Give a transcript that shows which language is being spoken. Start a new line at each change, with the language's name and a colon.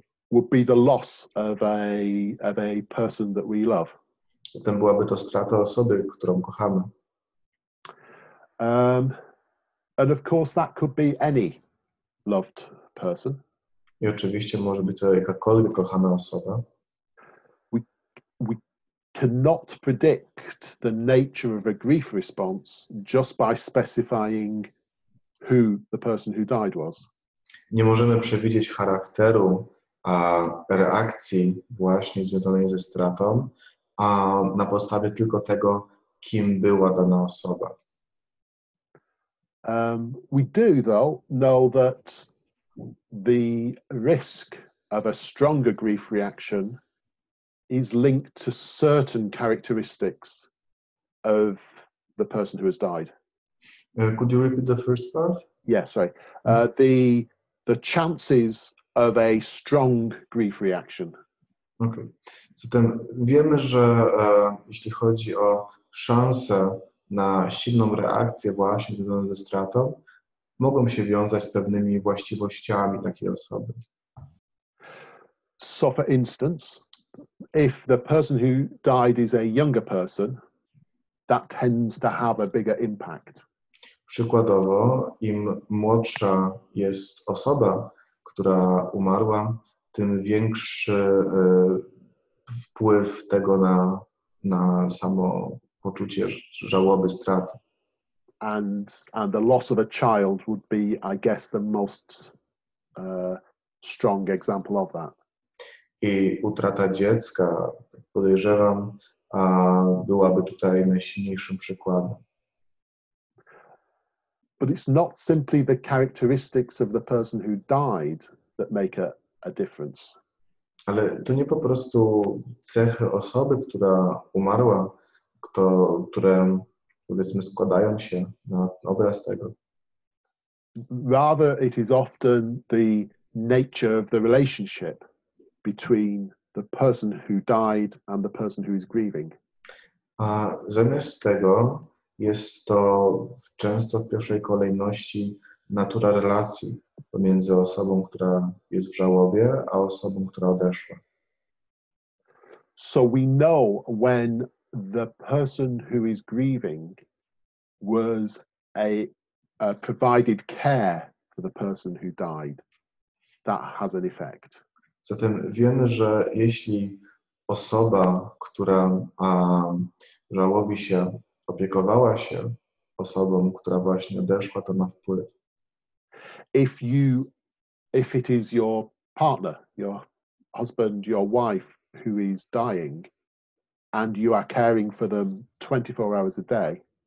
English: would be the loss of a person that we love.
Polish: Potem byłaby to strata osoby, którą kochamy.
English: And of course that could be any loved person.
Polish: I oczywiście może być to jakakolwiek kochana osoba.
English: We cannot predict the nature of a grief response just by specifying who the person who died was.
Polish: Nie możemy przewidzieć charakteru reakcji właśnie związanej ze stratą na podstawie tylko tego, kim była dana osoba.
English: We do, though, know that the risk of a stronger grief reaction is linked to certain characteristics of the person who has died. Could you repeat the first part? Yeah, sorry. The the chances of a strong grief reaction. Okay.
Polish: Zatem wiemy, że jeśli chodzi o szansę na silną reakcję właśnie związaną ze stratą, mogą się wiązać z pewnymi właściwościami takiej osoby.
English: So for instance, if the person who died is a younger person, that tends to have a bigger impact.
Polish: Przykładowo, im młodsza jest osoba, która umarła, tym większy wpływ tego na samo poczucie żałoby, straty.
English: And the loss of a child would be, I guess, the most strong example of that.
Polish: I utrata dziecka, podejrzewam, byłaby tutaj najsilniejszym przykładem.
English: But it's not simply the characteristics of the person who died that make a difference.
Polish: Ale to nie po prostu cechy osoby, która umarła, które powiedzmy składają się na obraz tego.
English: Rather, it is often the nature of the relationship between the person who died and the person who is grieving.
Polish: A zamiast tego jest to często w pierwszej kolejności natura relacji pomiędzy osobą, która jest w żałobie, a osobą, która odeszła.
English: So we know when the person who is grieving was a provided care for the person who died. That has an effect.
Polish: Zatem wiemy, że jeśli osoba, która żałobi się, opiekowała się osobą, która właśnie odeszła, to ma wpływ.
English: If it is your partner, your husband, your wife who is dying, and you are caring for them 24 hours a day.